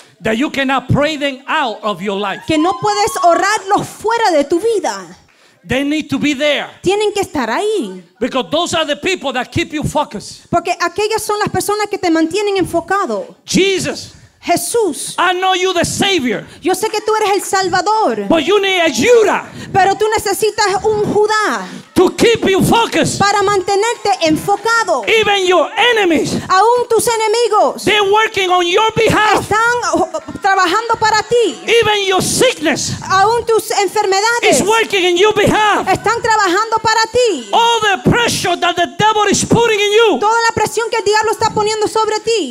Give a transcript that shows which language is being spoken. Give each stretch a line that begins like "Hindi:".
English: That you cannot pray them out of your life.
Spanish: Que no puedes orarlos fuera de tu vida.
English: They need to be there.
Spanish: Tienen que estar ahí.
English: Because those are the people that keep you focused.
Spanish: Porque aquellas son las personas que te mantienen enfocado.
English: Jesus.
Spanish: Jesús.
English: I know you the Savior.
Spanish: Yo sé que tú eres el Salvador.
English: But you need a Judah.
Spanish: Pero tú necesitas un Judá.
English: to keep you focused.
Spanish: Para mantenerte enfocado.
English: Even your enemies.
Spanish: Aún tus enemigos.
English: They're working on your behalf.
Spanish: Están trabajando para ti.
English: Even your sickness.
Spanish: Aún tus enfermedades.
English: Is working in your behalf.
Spanish: Están trabajando para ti.
English: All the pressure that the devil is putting in you.
Spanish: Toda la presión que el diablo está poniendo sobre ti.